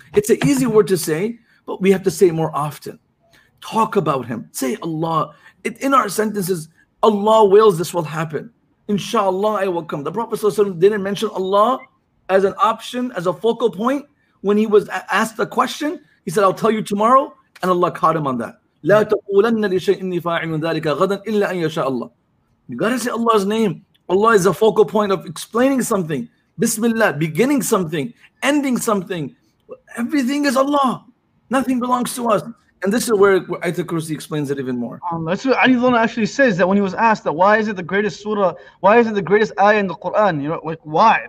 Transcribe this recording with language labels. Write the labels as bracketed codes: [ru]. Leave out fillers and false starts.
[en] an easy word to say, but we have to say it more often. Talk about him. Say Allah. It, in our sentences, Allah wills this will happen. Inshallah, I will come. The Prophet ﷺ didn't mention Allah as an option, as a focal point. When he was asked the question, he said, I'll tell you tomorrow. And Allah caught him on that. [ar] لا تقولن لشيء إني فاعل ذلك غدا إلا أن يشاء الله. [en] You gotta say Allah's name. Allah is a focal point of explaining something. Bismillah, beginning something, ending something. Everything is Allah. Nothing belongs to us. And this is where Ayatul Kursi explains it even more. That's what Ali Dhuna actually says, that when he was asked that why is it the greatest surah, why is it the greatest ayah in the Quran? You know, like why?